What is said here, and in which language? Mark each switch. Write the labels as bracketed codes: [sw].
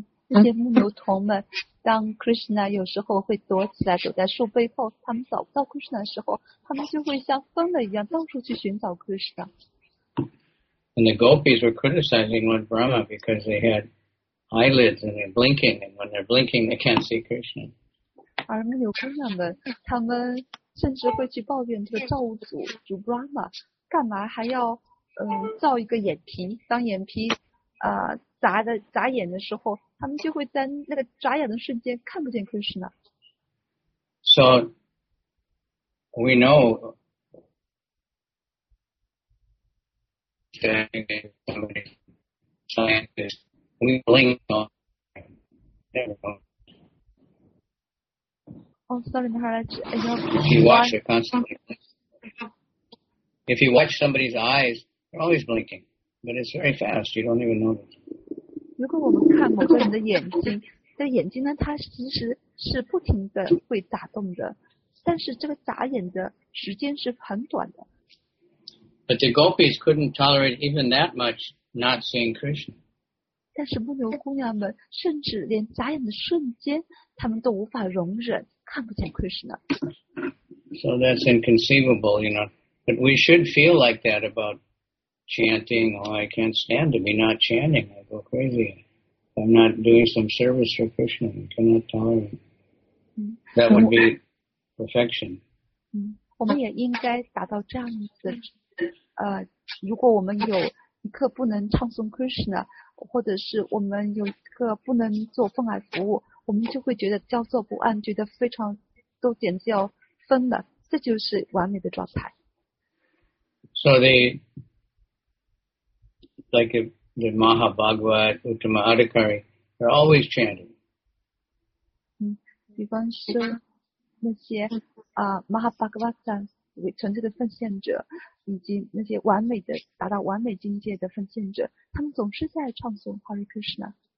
[zh] 那些牧牛童们，当 Krishna 有时候会躲起来，躲在树背后，他们找不到 Krishna 的时候，他们就会像疯了一样，到处去寻找 Krishna. [en] And the gopis were criticizing Lord Brahma because they had eyelids and they're blinking, and when they're blinking, they can't see Krishna. [zh] 而牧牛姑娘们，她们甚至会去抱怨这个造物主，主 Brahma， 干嘛还要造一个眼皮？当眼皮眨眼的时候，他们就会在那个眨眼的瞬间看不见 Krishna。 [en] So we know that somebody scientist. Oh, sorry, Maharaj. If you watch somebody's eyes, they're always blinking, but it's very fast. You don't even notice. [zh] 如果我们看某个人的眼睛，这眼睛呢，它其实是不停的会眨动的，但是这个眨眼的时间是很短的。 [en] But the gopis couldn't tolerate even that much not seeing Krishna. [zh] 但是牧牛姑娘们甚至连眨眼的瞬间，她们都无法容忍看不见 Krishna。 [en] So that's inconceivable, you know. But we should feel like that about chanting. Oh, I can't stand to be not chanting. I go crazy. I'm not doing some service for Krishna. I cannot tolerate. That would be perfection. [zh] 我们也应该达到这样子。如果我们有一刻不能唱诵 Krishna。或者是我们有一个不能做奉爱服务，我们就会觉得焦躁不安，觉得非常都简直要疯了，这就是完美的状态。 [en] So the like the Mahabhagavat, Uttama Adhikari, they're always chanting. [zh] 比方说那些Mahabhagavata成就的奉献者，以及那些完美的达到完美境界的奉献者，他们总是在唱诵 Hare Krishna。